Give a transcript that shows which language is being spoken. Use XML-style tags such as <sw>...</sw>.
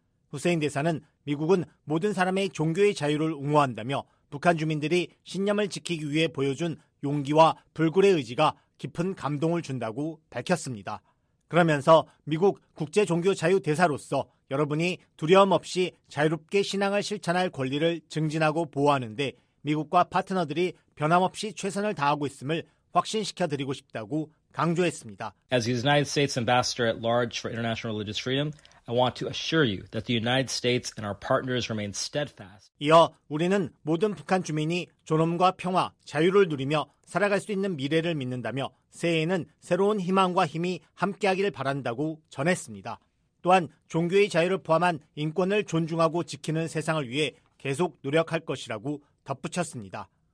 <ko>후세인 대사는 미국은 모든 사람의 종교의 자유를 옹호한다며 북한 주민들이 신념을 지키기 위해 보여준 용기와 불굴의 의지가 깊은 감동을 준다고 밝혔습니다. 그러면서 미국 국제종교자유대사로서 여러분이 두려움 없이 자유롭게 신앙을 실천할 권리를 증진하고 보호하는데 미국과 파트너들이 변함없이 최선을 다하고 있음을 확신시켜드리고 싶다고 강조했습니다.</ko> <en>As the United States Ambassador at Large for International Religious Freedom, I want to assure you that the United States and our partners remain steadfast.</en> <ko>이어 우리는 모든 북한 주민이 존엄과 평화, 자유를 누리며 살아갈 수 있는 미래를 믿는다며 새해에는 새로운 희망과 힘이 함께하기를 바란다고 전했습니다. 또한 종교의 자유를 포함한 인권을 존중하고 지키는 세상을 위해 계속 노력할 것이라고 덧붙였습니다.</ko>